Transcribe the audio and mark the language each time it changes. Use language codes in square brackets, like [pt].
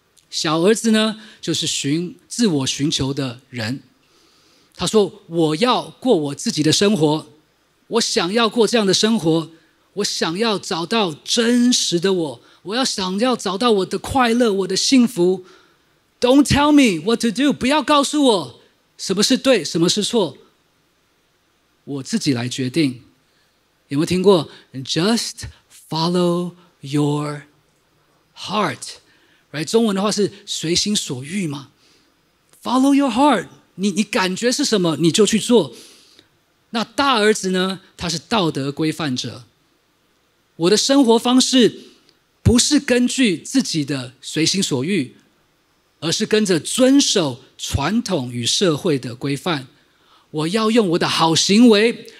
[zh] 小儿子呢，就是自我寻求的人，他说，我要过我自己的生活，我想要过这样的生活，我想要找到真实的我，我要想要找到我的快乐，我的幸福。 [en] Don't tell me what to do， [zh] 不要告诉我什么是对什么是错，我自己来决定。有没有听过 [en] Just follow your heart， right？ [zh] 中文的话是随心所欲嘛。 [en] Follow your heart， [zh] 你感觉是什么你就去做。那大儿子呢，他是道德规范者，我的生活方式不是根据自己的随心所欲，而是跟着遵守传统与社会的规范。我要用我的好行为，